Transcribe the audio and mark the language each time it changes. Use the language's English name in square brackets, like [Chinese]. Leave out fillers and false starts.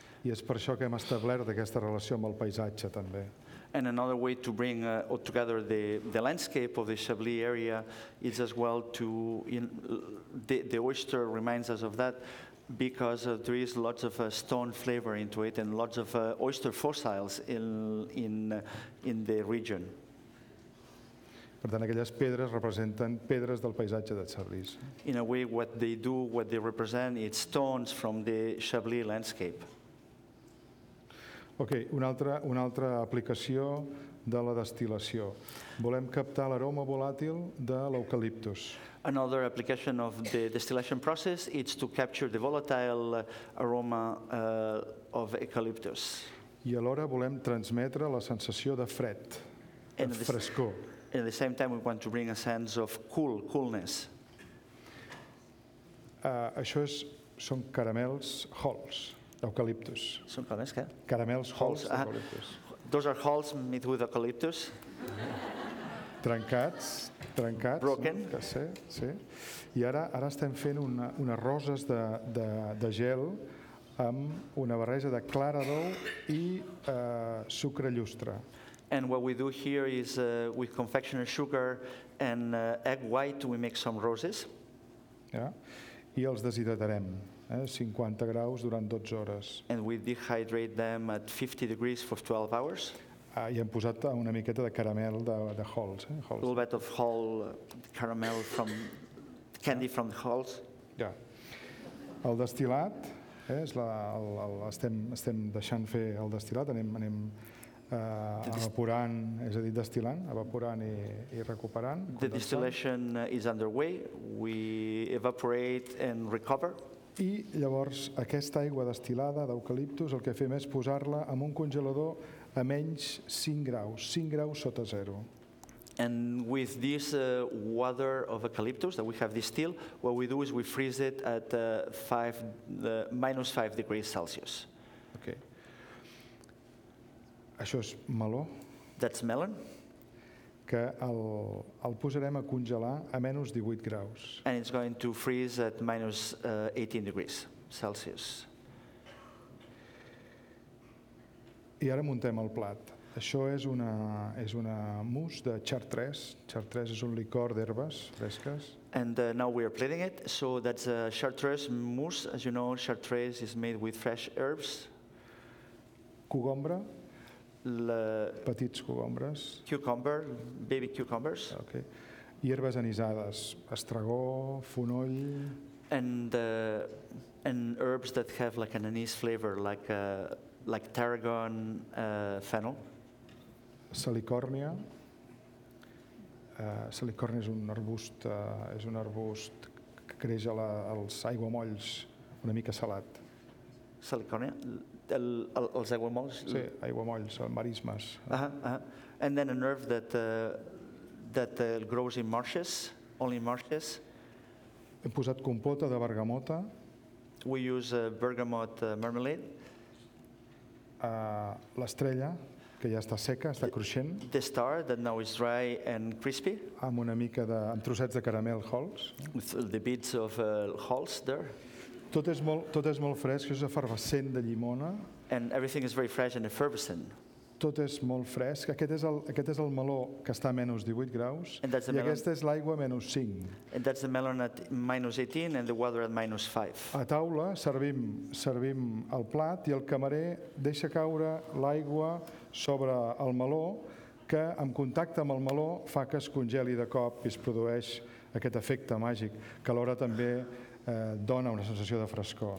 [Catalan] I és per això que hem establert aquesta relació amb el paisatge també. [English] And another way to bring together the landscape of the Chablis area is as well to the oyster reminds us of that because there is lots of stone flavor into it and lots of oyster fossils in the region. [Catalan] Per tant, aquelles pedres representen pedres del paisatge de Chablis. [English] In a way, what they represent, it's stones from the Chablis landscape. [Catalan] Okay, una altra aplicació de la destil·lació. Volem captar l'aroma volàtil de l'eucaliptus. [English] Another application of the distillation process is to capture the volatile aroma of eucalyptus. [Catalan] I alhora volem transmetre la sensació de fred, de frescor. [English] At the same time, we want to bring a sense of coolness. [Catalan] Això és, són caramels Halls, eucaliptus. Són caramels què? Caramels Halls d'eucaliptus. [English] Those are Halls made with eucaliptus. [Catalan] Trencats. [English] Broken. [Catalan] No? Sí. I ara estem fent unes roses de gel amb una barreja de clara d'ou i sucre llustre. [English] And what we do here is we confectioner sugar and egg white, we make some roses. Yeah. [Catalan] I els deshidratarem, 50 graus durant 12 hores. [English] And we dehydrate them at 50 degrees for 12 hours. [Catalan] I hem posat una miqueta de caramel de Halls. [English] A little bit of Hall caramel from candy from the Halls. Yeah. [Catalan] El destil·lat, és estem deixant fer el destil·lat, anem evaporant, és a dir, destil·lant, evaporant i recuperant. [English] The distillation is underway. We evaporate and recover. [Catalan] I llavors aquesta aigua destil·lada d'eucaliptus el que fem és posar-la en un congelador a menys 5 graus, 5 graus sota zero. [English] And with this water of eucalyptus that we have distilled, what we do is we freeze it at -5 degrees Celsius. Okay. [Catalan] Això és meló. [English] That's melon. [Catalan] Que el posarem a congelar a menys 18 graus. [English] And it's going to freeze at -18 degrees Celsius. [Catalan] I ara muntem el plat. Això és una mousse de chartreuse. Chartreuse és un licor d'herbes fresques. [English] And now we are plating it. So that's a chartreuse mousse. As you know, chartreuse is made with fresh herbs. [Catalan] Cogombre. Petits cogombres. [English] Cucumber, baby cucumbers. [Catalan] Okay. I herbes anisades. Estragó, fonoll. [English] And herbs that have like an anise flavor, like tarragon, fennel. [Catalan] Salicornia. Salicornia és un arbust que creix als aiguamolls, una mica salat. Salicornia? Els aiguamolls? Sí, aiguamolls, marismes. Uh-huh. [English] And then an herb that grows in marshes, only in marshes. [Catalan] Hem posat compota de bergamota. [English] We use bergamot marmalade. [Catalan] L'estrella, que ja està seca, està cruixent. [English] The star that now is dry and crispy. [Catalan] Amb una mica de trossets de caramel Halls. [English] With the bits of Halls there. [Catalan] Tot és molt fresc, és efervescent de llimona. [English] And everything is very fresh and effervescent. [Catalan] Tot és molt fresc. Aquest és el meló que està a menys 18 graus. [English] And that's the [Catalan] I aquesta és l'aigua a menys 5. [English] And that's the melon at -18 and the water at -5. [Catalan] A taula servim el plat i el camarer deixa caure l'aigua sobre el meló que en contacte amb el meló fa que es congeli de cop i es produeix aquest efecte màgic que alhora també dona una sensació de frescor.